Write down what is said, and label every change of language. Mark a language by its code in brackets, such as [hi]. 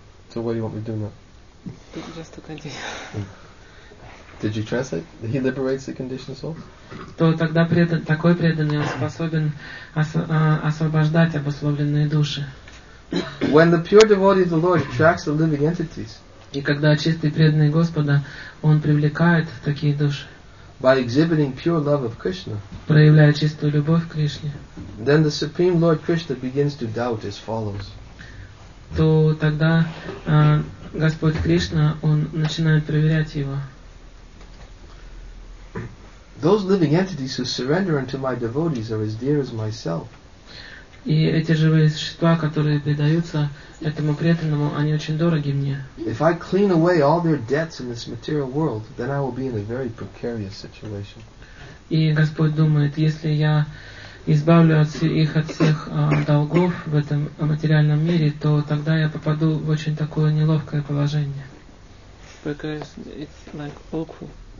[en] So what do you want me to do now? Just to continue. Did you translate? He liberates the conditioned souls? [ru] То тогда такой преданный он способен освобождать обусловленные души. [en] When the pure devotee of the Lord attracts the living entities. [ru] И когда чистый преданный Господа, он привлекает такие души. [en] By exhibiting pure love of Krishna. [ru] Проявляя чистую любовь к Кришне. [en] Then the Supreme Lord Krishna begins to doubt as follows. [ru] То тогда Господь Кришна, он начинает проверять его. [en] Those living entities who surrender unto my devotees are as dear as myself. [ru] И эти живые существа, которые предаются этому преданному, они очень дороги мне. [en] If I clean away all their debts in this material world, then I will be in a very precarious situation. [ru] И Господь думает, если я избавлю их от всех долгов в этом материальном мире, то тогда я попаду в очень такое неловкое положение. [en] Because it's like awkward.